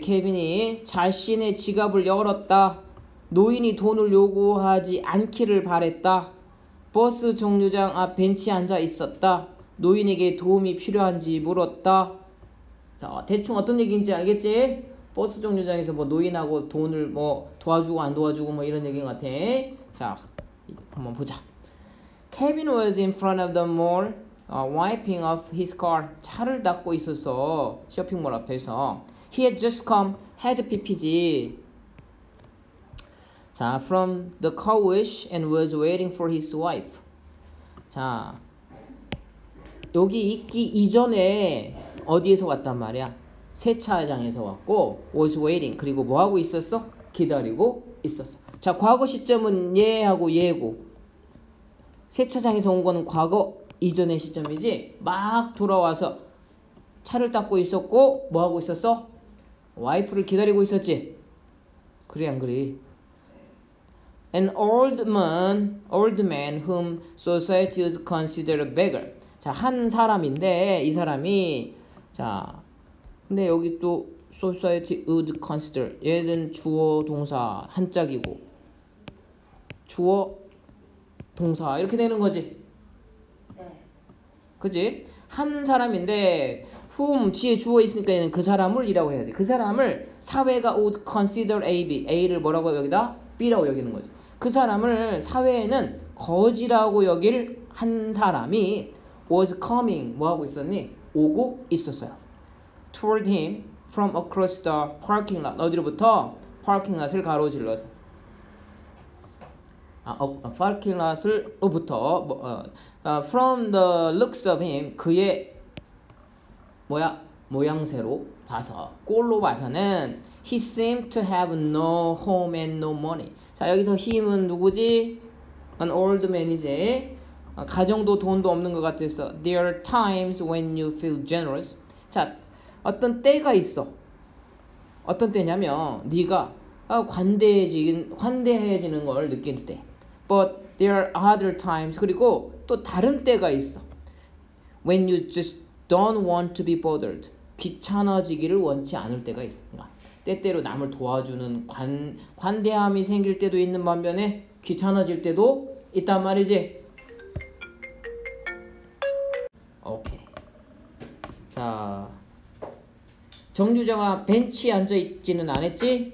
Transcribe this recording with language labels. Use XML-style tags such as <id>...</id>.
<ko>케빈이 자신의 지갑을 열었다. 노인이 돈을 요구하지 않기를 바랬다. 버스 정류장 앞 벤치에 앉아 있었다. 노인에게 도움이 필요한지 물었다. 자, 대충 어떤 얘기인지 알겠지? 버스 정류장에서 뭐 노인하고 돈을 뭐 도와주고 안 도와주고 뭐 이런 얘기인 것 같아. 자, 한번 보자.</ko> <en>Kevin was in front of the mall, wiping off his car.</en> <ko>차를 닦고 있었어, 쇼핑몰 앞에서.</ko> <en>He had just come, had PPG. 자, from the car wash and was waiting for his wife.</en> <ko>자, 여기 있기 이전에 어디에서 왔단 말이야? 세차장에서 왔고</ko> <en>was waiting.</en> <ko>그리고 뭐하고 있었어? 기다리고 있었어. 자, 과거 시점은 예하고 예고. 세차장에서 온 거는 과거 이전의 시점이지. 막 돌아와서 차를 닦고 있었고 뭐하고 있었어? 와이프를 기다리고 있었지. 그래 안 그래?</ko> <en>An old man whom society has considered a beggar.</en> <ko>자, 한 사람인데 이 사람이 자, 근데 여기 또</ko> <en>society would consider</en> <ko>얘는 주어 동사 한짝이고 주어 동사 이렇게 되는 거지. 그지? 한 사람인데 whom 뒤에 주어 있으니까 얘는 그 사람을 이라고 해야 돼. 그 사람을 사회가</ko> <en>would consider AB.</en> <ko>A를 뭐라고 여기다? B라고 여기는 거지. 그 사람을 사회에는 거지라고 여길 한 사람이</ko> <en>was coming</en> <ko>뭐하고 있었니? 오고 있었어요.</ko> <en>Toward him from across the parking lot.</en> <ko>어디로부터? Parking lot을 가로질러서. 파킹 라슬로부터</ko> <en>from the looks of him</en> <ko>그의 뭐야 모양새로 봐서 꼴로 봐서는</ko> <en>he seemed to have no home and no money.</en> <ko>자 여기서 him은 누구지?</ko> <en>An old man이지.</en> <ko>가정도 돈도 없는 것 같아서</ko> <en>there are times when you feel generous.</en> <ko>자 어떤 때가 있어. 어떤 때냐면 네가 관대해지는 걸 느낄 때.</ko> <en>But there are other times.</en> <ko>그리고 또 다른 때가 있어.</ko> <en>When you just don't want to be bothered.</en> <ko>귀찮아지기를 원치 않을 때가 있어. 그러니까 때때로 남을 도와주는 관대함이 생길 때도 있는 반면에 귀찮아질 때도 있단 말이지. 오케이. 자, 정주자가 벤치에 앉아있지는 않았지?</ko>